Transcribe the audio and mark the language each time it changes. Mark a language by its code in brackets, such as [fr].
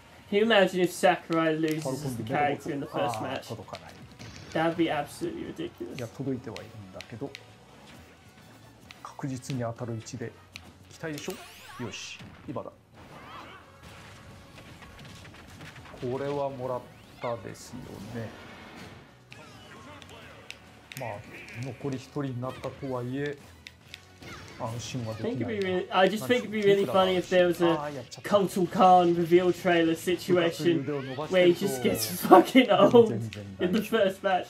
[en] Can you imagine if Sakurai loses his character in the first match? [ja] 届かない。 [en] That'd be absolutely ridiculous. [ja] いや、届いてはいるんだけど。確実に当たる位置で期待でしょ。よし、今だ。これはもらったですよね。まあ残り一人になったとはいえ安心はできない。 [en] I just think it'd be really funny if there was a Kotal Kahn reveal trailer situation where he just gets fucking old in the first match.